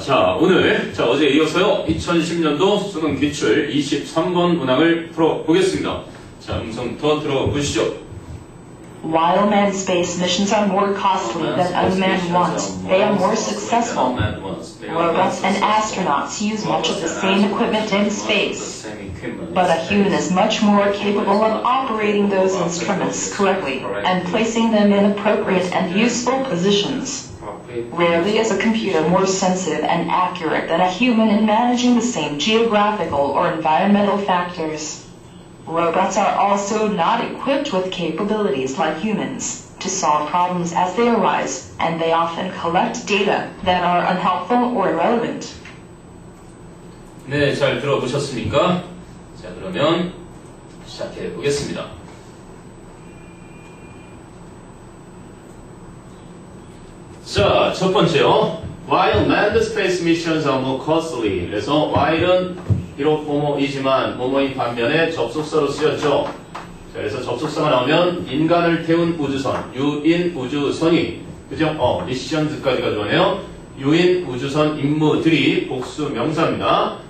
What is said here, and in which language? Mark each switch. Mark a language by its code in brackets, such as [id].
[ko] 자, 오늘, 자, 어제 이어서요, 2010년도 수능 기출 23번 문항을 풀어보겠습니다. 자, 음성부터 들어보시죠. [en] While manned space missions are more costly than unmanned ones, they are more successful. Robots and astronauts use much of the same equipment in space. But a human is much more capable of operating those instruments correctly and placing them in appropriate and useful positions. Rarely is a computer more sensitive and accurate than a human in managing the same geographical or environmental factors. Robots are also not equipped with capabilities like humans to solve problems as they arise, and they often collect data that are unhelpful or irrelevant. [ko] 네, 잘 들어보셨습니까? 자, 그러면 시작해 보겠습니다. 자, 첫 번째요. [en] While manned space missions are more costly. [ko] 그래서 while은 비록 뭐뭐이지만 뭐뭐인 반면에 접속사로 쓰였죠. 자, 그래서 접속사가 나오면 인간을 태운 우주선, 유인 우주선이, 그죠? 미션즈까지가 좋네요. 유인 우주선 임무들이 복수 명사입니다.